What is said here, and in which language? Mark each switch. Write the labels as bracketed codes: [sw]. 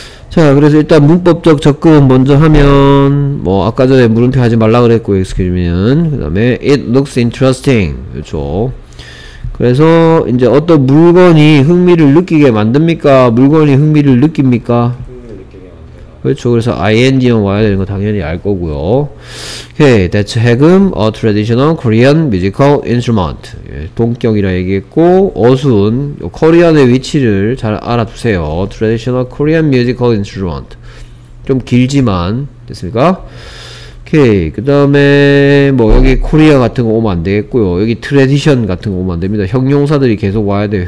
[ko] 자 그래서 일단 문법적 접근 먼저 하면 뭐 아까 전에 물음표 하지 말라 그랬고 excuse me는 그 다음에 [en] it looks interesting [ko] 그렇죠. 그래서 이제 어떤 물건이 흥미를 느끼게 만듭니까? 물건이 흥미를 느낍니까? 흥미를 느끼게 만듭니다. 그렇죠. 그래서 ing형 와야 되는 거 당연히 알 거고요. [en] Okay, that's 해금 a traditional Korean musical instrument. [ko] 예, 동격이라 얘기했고 어순 요 코리안의 위치를 잘 알아두세요. [en] Traditional Korean musical instrument. [ko] 좀 길지만 됐습니까? Okay, 그 다음에 뭐 여기 코리아 같은 거 오면 안 되겠고요. 여기 tradition 같은 거 오면 안 됩니다. 형용사들이 계속 와야 돼요.